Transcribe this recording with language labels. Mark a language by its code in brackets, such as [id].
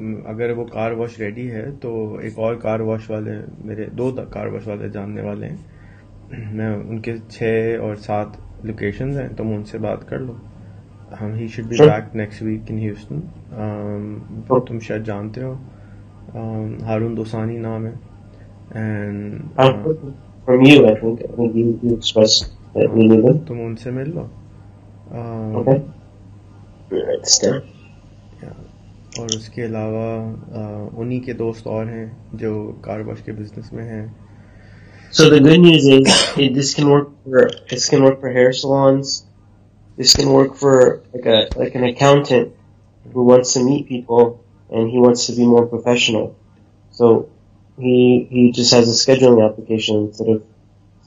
[hi] अगर वो car wash ready है तो एक और कार वॉश वाले, मेरे दो कार वॉश वाले जानने वाले हैं, मैं उनके 6 और 7 लोकेशंस हैं, तुम उनसे बात कर लो। [en] Hmm he should be back next week in Houston. [hi] तुम शायद जानते हो, हारून दोसानी नाम है। [en] And From you, I think you expressed that we need them. [hi] तुम उनसे मिल लो। [en] Okay. Next step. [hi] और उसके अलावा उन्हीं के दोस्त और हैं जो कार वॉश के बिजनेस में हैं। [en] So the good news is this can work for hair salons. This can work for like an accountant who wants to meet people and he wants to be more professional. So he just has a scheduling application instead of